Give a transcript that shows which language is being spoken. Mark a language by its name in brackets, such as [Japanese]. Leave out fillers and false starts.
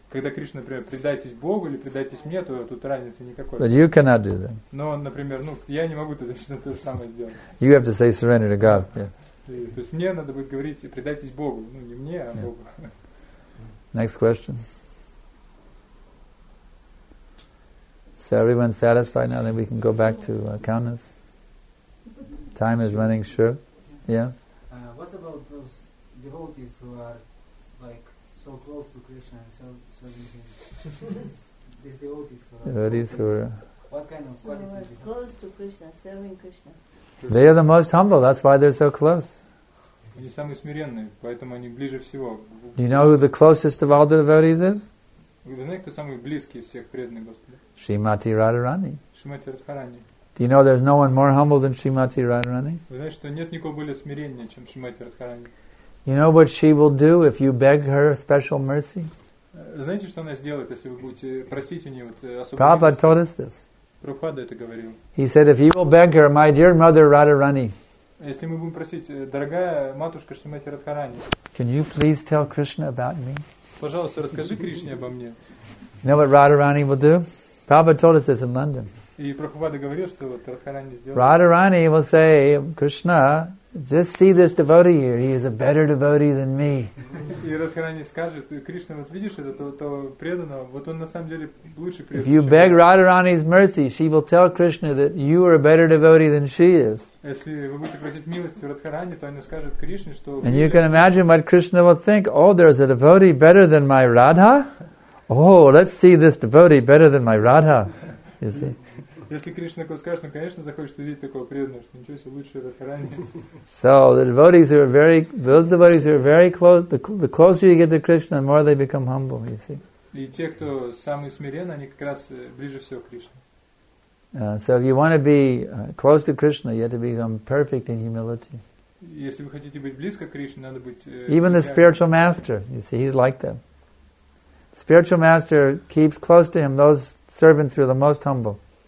[Russian] Когда Кришна, например, предайтесь Богу или предайтесь мне, то тут разницы никакой. [English] But you cannot do that. [Russian] Но, например, ну я не могу точно то же самое сделать. [English] You have to say surrender to God. Yeah. [Russian] То есть мне надо будет говорить, предайтесь Богу. Ну, не мне, а Богу. [English] Next question. So everyone satisfied now, then we can go back to Kaunas. Time is running, sure. Yeah? What about those devotees who are like so close to Krishna and serving him? These devotees who are... Devotees who are... What kind of quality? So close to Krishna, serving Krishna. They are the most humble, that's why they're so close. [Russian] Они самые смиренные, поэтому они ближе всего. [English] Do you know who the closest of all the devotees is? [Russian] Вы знаете, кто самый близкий из всех преданных Господа? Шримати Радхарани. Шримати Радхарани. [English] Do you know there's no one more humble than Shrimati Radharani? [Russian] Вы знаете, что нет никого более смиренного, чем Шримати Радхарани? [English] You know what she will do if you beg her special mercy? [Russian] Знаете, что она сделает, если вы будете просить у нее вот особую? [English] Prabhupada told us this. [Russian] Прабхупада это говорил. [English] He said, if you will beg her, my dear mother Radharani. [Russian] Если мы будем просить, дорогая матушка Шримати Радхарани. [English] Can you please tell Krishna about me? [Russian] Пожалуйста, расскажи Кришне обо мне. [English] You know what Radharani will do? Prabhupada told us this in London. [Russian] И Прабхупада говорил, что вот Радхарани сделает. [English] Radharani will say, Krishna, just see this devotee here. He is a better devotee than me. [Russian] И Радхарани скажет, Кришна, вот видишь это преданного, вот он на самом деле лучше преданный. [English] If you beg Radharani's mercy, she will tell Krishna that you are a better devotee than she is. [Russian] Если вы будете просить милости у Радхарани, то она скажет Кришне, что. [English] And you can imagine what Krishna will think. Oh, there is a devotee better than my Radha. Oh, let's see this devotee better than my Radha. You see. [Russian] Если Кришна такое скажет, то, конечно, захочет увидеть такого преданного, что ничего себе лучше Радхарани. [English] So the devotees who are very, those devotees who are very close, the closer you get to Krishna, the more they become humble. You see. [Russian] И те, кто самые смиренные, они как раз ближе всего к Кришне. [English] So if you want to be close to Krishna, you have to become perfect in humility. [Russian] Если вы хотите быть близко к Кришне, надо быть. [English] Even the spiritual master, you see, he's like that. Spiritual master keeps close to him those servants who are the most humble.